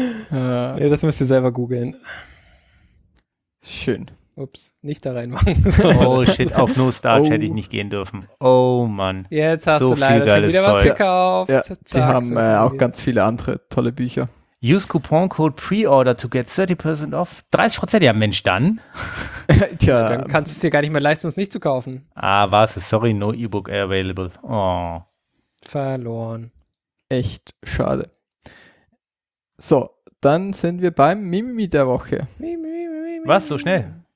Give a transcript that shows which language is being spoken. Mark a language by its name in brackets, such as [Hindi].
[German] Nee, das müsst ihr selber googeln. Schön. Ups, nicht da reinmachen. [English] Oh shit, [German] auf No Starch hätte ich nicht gehen dürfen. Oh Mann. Jetzt hast du leider schon wieder was gekauft. Ja, sie haben auch ganz viele andere tolle Bücher. [English] Use Coupon Code Preorder to get 30% off. [German] 30%? Ja, Mensch, dann. Tja. Ja, dann kannst du es dir gar nicht mehr leisten, es nicht zu kaufen. Ah, was? [English] Sorry, no E-Book available. Oh. [German] Verloren. Echt schade. So, dann sind wir beim Mimimi der Woche. Was, so schnell?